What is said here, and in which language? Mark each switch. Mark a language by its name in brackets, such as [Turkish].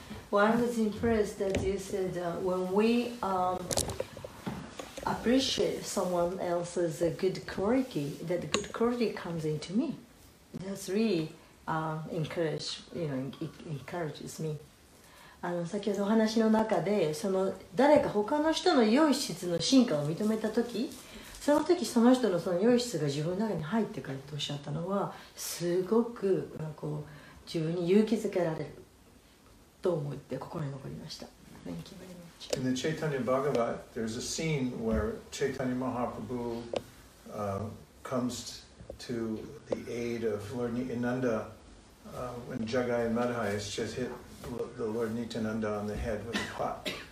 [English] Well, I was impressed that you said when we appreciate someone else's good quality, that the good quality comes into me. That's really encourages me. [Japanese] 先ほどお話の中で、その誰か他の人の良い質の進化を認めたとき、その時その人のその良い質が自分の中に入ってくるとおっしゃったのはすごくなんかこう自分に勇気づけられると思って心に残りました。 [English] Thank you very much. In the Chaitanya Bhagavat, there's a scene where Chaitanya Mahaprabhu comes to the aid of Lord Nityananda when Jagai and Madhai has just hit the Lord Nityananda on the head with a pot.